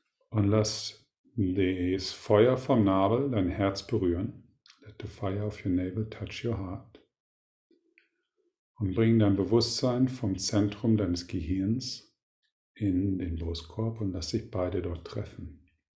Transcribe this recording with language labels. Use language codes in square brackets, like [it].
[de] Und lass das Feuer vom Nabel dein Herz berühren. [en] Let the fire of your navel touch your heart. [de] Und bring dein Bewusstsein vom Zentrum deines Gehirns in den Brustkorb und lass sich beide dort treffen.